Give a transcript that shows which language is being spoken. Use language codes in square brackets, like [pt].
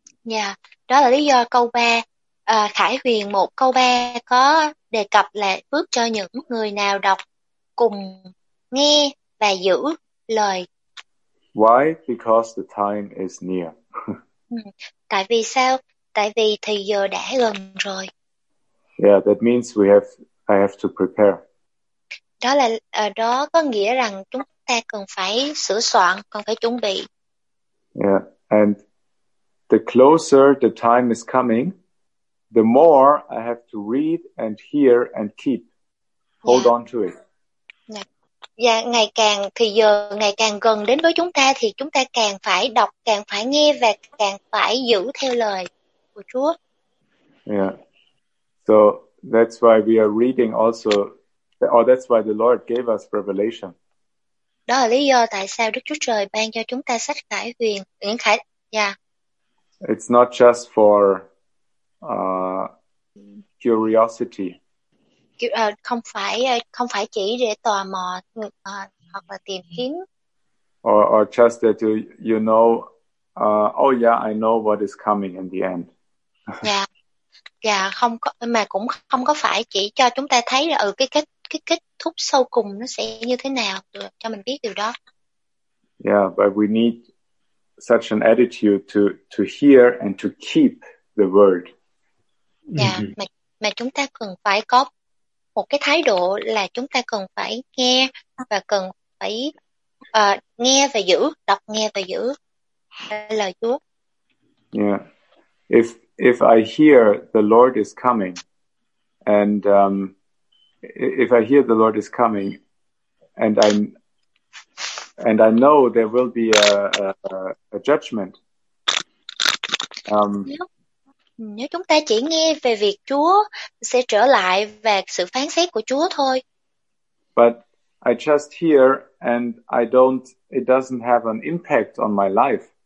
[vi] Yeah, đó là lý do câu 3, Khải Huyền 1 câu 3 có đề cập là phước cho những người nào đọc cùng nghe và giữ lời. [en] Why? Because the time is near. [vi] Tại vì sao? Tại vì thì giờ đã gần rồi. [en] Yeah, that means I have to prepare. [vi] Đó là đó có nghĩa rằng chúng ta cần phải sửa soạn, cần phải chuẩn bị. [en] Yeah, and the closer the time is coming, the more I have to read and hear and keep. Hold on to it. [vi] Dạ, ngày càng thì giờ ngày càng gần đến với chúng ta thì chúng ta càng phải đọc, càng phải nghe và càng phải giữ theo lời của Chúa. [en] Yeah. So that's why we are reading also, or that's why the Lord gave us Revelation. [vi] Đó là lý do tại sao Đức Chúa Trời ban cho chúng ta sách Khải Huyền, những Khải, yeah. [en] It's not just for curiosity. [vi] Không phải chỉ để tò mò hoặc là tìm kiếm. [en] Or just that you know, oh yeah, I know what is coming in the end. [vi] Yeah, không có, mà cũng không có phải chỉ cho chúng ta thấy là cái kết thúc sâu cùng nó sẽ như thế nào, cho mình biết điều đó. [en] Yeah, but we need such an attitude to hear and to keep the word. [vi] Dạ, mà chúng ta cần phải có một cái thái độ là chúng ta cần phải nghe và cần phải nghe và giữ, đọc nghe và giữ lời Chúa. [en] Yeah. If I hear the Lord is coming and if I hear the Lord is coming and I know there will be a judgment. [vi] Nếu chúng ta chỉ nghe về việc Chúa sẽ trở lại và sự phán xét của Chúa thôi. [en] But I just hear and I don't, it doesn't have an impact on my life.